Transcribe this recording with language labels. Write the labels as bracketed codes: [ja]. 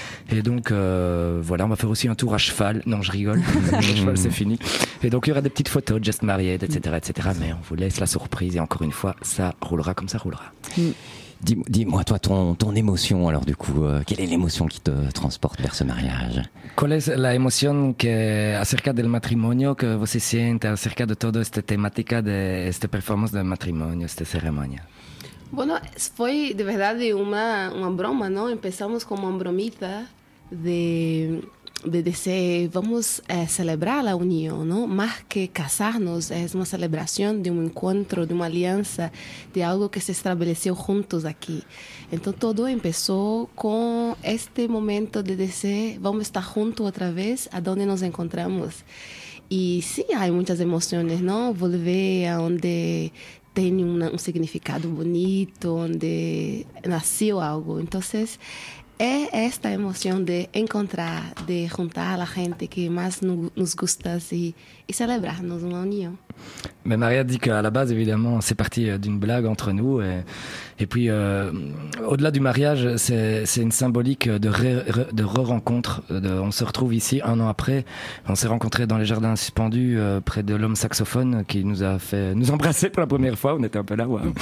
[fr] Et donc, voilà, on va faire aussi un tour à cheval. Non, je rigole, à cheval, c'est fini. Et donc, il y aura des petites photos, [en] just married, [fr] etc., etc. Mais on vous laisse la surprise. Et encore une fois, ça roulera comme ça roulera. Dis-moi, toi, ton émotion, alors, du coup, quelle est l'émotion qui te transporte vers ce mariage? [es] ¿Cuál es la emoción que acerca del matrimonio que vos sientes acerca de toda esta temática de esta performance de matrimonio, esta ceremonia? Bueno, fue de verdad una broma, ¿no? Empezamos como una bromita de decir, vamos a celebrar la unión, ¿no? Más que casarnos, es una celebración de un encuentro, de una alianza, de algo que se estableció juntos aquí. Entonces todo empezó con este momento de decir, vamos a estar juntos otra vez a donde nos encontramos. Y sí, hay muchas emociones, ¿no? Volver a donde tiene un significado bonito, donde nació algo. Entonces, es esta emoción de encontrar, de juntar a la gente que más nos gusta y celebrarnos una unión. [fr] Mais María dit qu'à la base, évidemment, c'est parti d'une blague entre nous. Et puis, au-delà du mariage, c'est une symbolique de re-rencontre. On se retrouve ici un an après. On s'est rencontrés dans les jardins suspendus près de l'homme saxophone qui nous a fait nous embrasser pour la première fois. On était un peu là. Ouais.